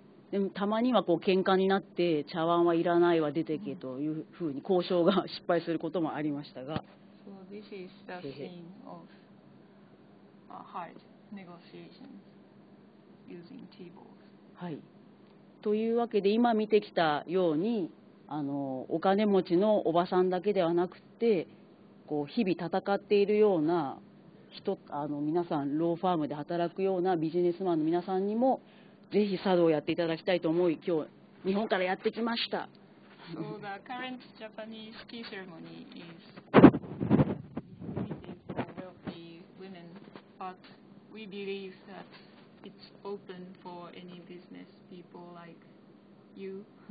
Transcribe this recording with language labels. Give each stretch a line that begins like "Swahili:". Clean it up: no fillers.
Japanese: でもたまにはこう喧嘩になって、茶碗はいらないわ出てけというふうに交渉が失敗することもありましたが、
English: So this is the scene of hard negotiations using tea bowls.
Japanese: はい。というわけで、今見てきたように、あのお金持ちのおばさんだけではなくて、こう日々戦っているような人、あの皆さん、ローファームで働くようなビジネスマンの皆さんにもぜひ茶道をやっていただきたいと思い、今日日本からやってきました。
English: So the current Japanese tea ceremony is limited for wealthy women, but we believe that it's open for any business people like you.